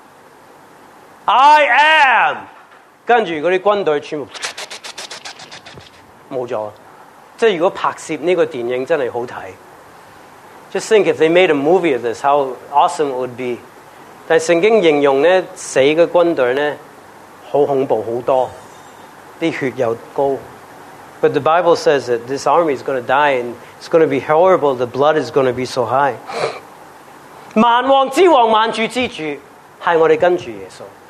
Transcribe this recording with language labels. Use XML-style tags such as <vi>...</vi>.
<yue>我想可能他只要讲一句说话，不知讲咩说话。我系， I am，跟住嗰啲军队全部冇咗。即系如果拍摄呢个电影真系好睇。</yue> <en>Just think, if they made a movie of this, how awesome it would be. 但圣经形容呢，死嘅军队呢，好恐怖好多，啲血又高。 But the Bible says that this army is going to die, and it's going to be horrible, the blood is going to be so high.</en> <yue>万王之王，万主之主，系我哋跟住耶稣。</yue>